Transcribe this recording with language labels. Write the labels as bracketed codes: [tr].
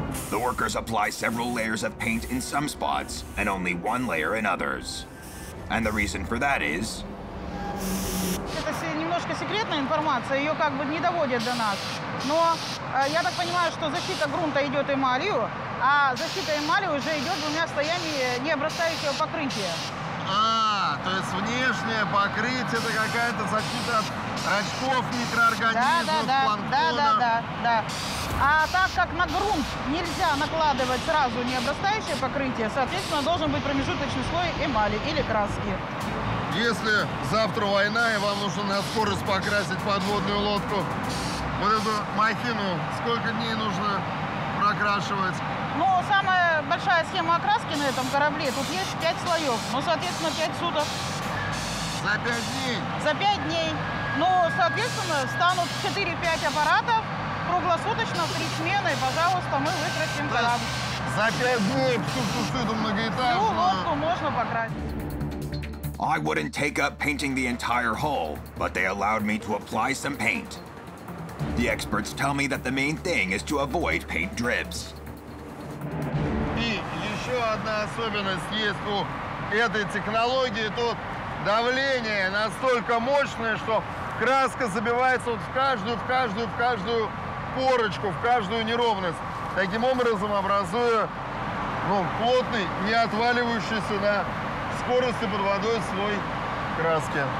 [en] The workers apply several layers of paint in some spots, and only one layer in others. And the reason for that is... [ru] Это немножко секретная информация, ее как бы не доводят до нас. Но я так понимаю, что защита грунта идет эмалью, а защита эмали уже идет двумя слоями необрастающего покрытия. А, то есть внешнее покрытие – это какая-то защита от рачков, микроорганизмов, планктона. Да. А так как на грунт нельзя накладывать сразу необрастающее покрытие, соответственно, должен быть промежуточный слой эмали или краски. Если завтра война, и вам нужно на скорость покрасить подводную лодку, вот эту махину, сколько дней нужно прокрашивать? Ну, самая большая схема окраски на этом корабле, тут есть 5 слоев, ну, соответственно, 5 суток. За 5 дней? За 5 дней. Ну, соответственно, станут 4-5 аппаратов, круглосуточно, 3 смены, пожалуйста, мы выкрасим корабль. За 5 дней всю сушиту многоэтажную? Всю лодку можно покрасить. [en] I wouldn't take up painting the entire hull, but they allowed me to apply some paint. The experts tell me that the main thing is to avoid paint drips. [ru] И еще одна особенность есть у этой технологии. Тут давление настолько мощное, что краска забивается вот в каждую корочку, в каждую неровность. Таким образом образуя плотный, не отваливающийся на скорости под водой слой краски.